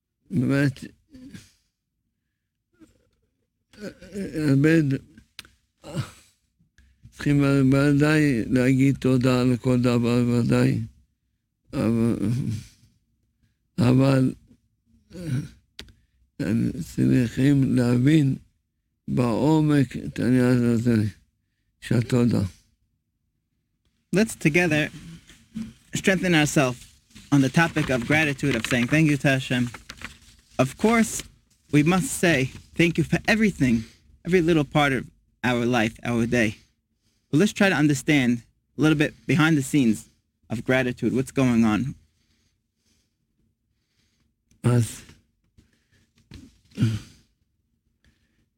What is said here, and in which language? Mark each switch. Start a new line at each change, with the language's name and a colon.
Hebrew: באמת, צריכים ודאי להגיד תודה לכל דבר, ודאי. אבל צריכים להבין בעומק את העניין הזה של תודה.
English: Let's together strengthen ourselves on the topic of gratitude, of saying thank you to Hashem. Of course, we must say thank you for everything, every little part of our life, our day. But let's try to understand a little bit behind the scenes of gratitude, what's going on. As